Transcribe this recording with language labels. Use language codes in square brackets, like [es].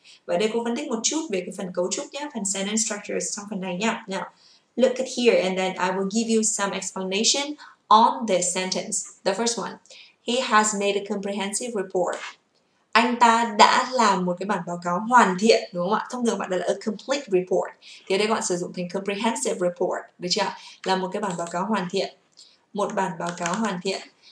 [vi] Và đây cô phân tích một chút về cái phần cấu trúc nhé, phần sentence structures trong phần này nhé. [en] Now, look at here, and then I will give you some explanation on this sentence. The first one, he has made a comprehensive report. [vi] Anh ta đã làm một cái bản báo cáo hoàn thiện, đúng không ạ? Thông thường bạn là a complete report. Thì ở đây bạn sử dụng thành comprehensive report, được chưa? Là một cái bản báo cáo hoàn thiện. Một bản báo cáo hoàn thiện.